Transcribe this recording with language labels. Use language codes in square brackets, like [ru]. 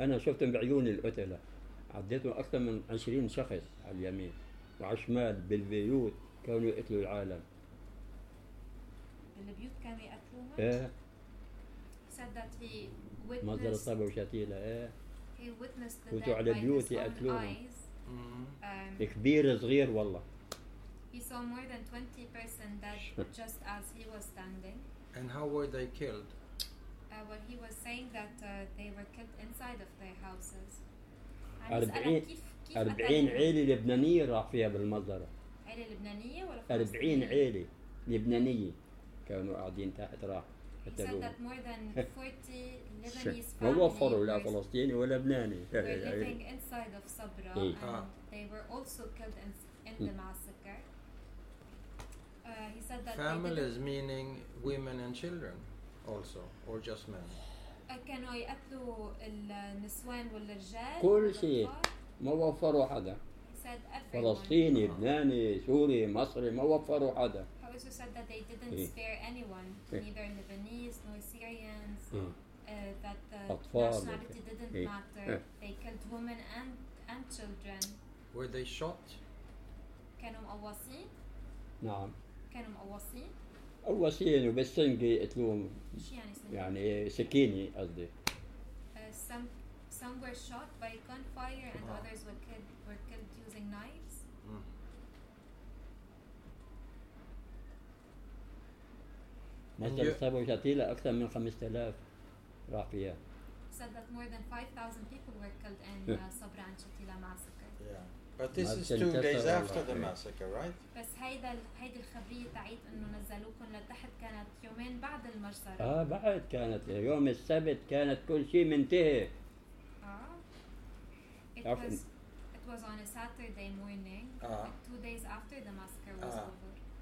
[ar] أنا شفتهم بعيوني القتلة عديتهم أكثر من 20 شخص على اليمين وعلى الشمال بالبيوت كانوا يقتلوا العالم بالبيوت كانوا يقتلوهم؟ إيه صدت لي witness مصدر الصبر وشتيلة إيه [en] he witnessed the death by his own eyes. [ar] كبير صغير والله. [en] He saw more than 20 person dead just as he was standing. And how were they killed? Well, he was saying that they were killed inside of their houses. [ar] أربعين عيلة لبنانية راح فيها بالمزرعة. عيلة لبنانية ولا؟ 40 عيلة لبنانية كانوا قاعدين تحت راح. حتى لو [en] that more than 40 Lebanese sure. families [ar] ووفروا لا فلسطيني ولا لبناني [en] were living inside of Sabra and they were also killed in the massacre. He said that families meaning women and children also or just men. [ar] كانوا يقتلوا النسوان والرجال كل شيء ما وفروا حدا فلسطيني لبناني سوري مصري ما وفروا حدا [en] also said that they didn't spare anyone neither Lebanese nor Syrians that the nationality didn't matter they killed women and children were they shot [ar] كانوا مقوصين نعم كانوا مقوصين قوصين وبس سنقي قتلوهم يعني سكيني قصدي [en] some were shot by gunfire and others were killed using knives [ar] مثلا سابوا شتيلة أكثر من 5000 راح فيها [en] said that more than 5,000 people were killed in Sabra and Shatila massacre But this is 2 days after the massacre, right? [ar] بس هيدا الخبرية تعيد إنه نزلوكم لتحت كانت يومين بعد المجزرة. بعد كانت يوم السبت كانت كل شيء منتهي. [en] It was on a Saturday morning, like 2 days after the massacre was over.